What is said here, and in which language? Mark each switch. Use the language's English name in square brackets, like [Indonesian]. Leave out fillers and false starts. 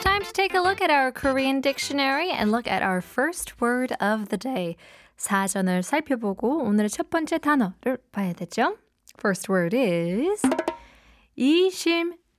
[English] to take a look at our Korean dictionary and look at our first word of the day. [Korean] 사전을 살펴보고 오늘의 첫 번째 단어를 봐야 되죠. [English] First word is 이심전심.